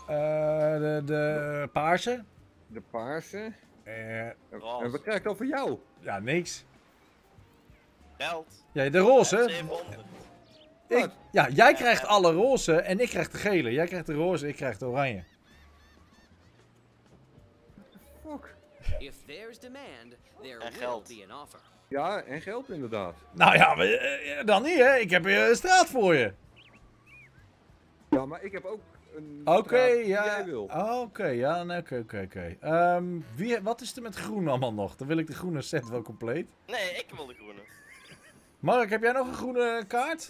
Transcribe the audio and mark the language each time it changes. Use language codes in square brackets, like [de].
[nl] De paarse. De paarse. Roze. En wat krijg ik dan van jou? Ja, niks. Geld. Ja, de roze. 700. Jij krijgt alle roze en ik krijg de gele. Jij krijgt de roze, ik krijg de oranje. [en] If there's demand, there will be an offer. [nl] Ja, en geld inderdaad. Nou ja, dan niet, hè. Ik heb een straat voor je. Ja, maar ik heb ook een Okay. Wat is er met groen allemaal nog? Dan wil ik de groene set wel compleet. Nee, ik wil de groene. Mark, heb jij nog een groene kaart?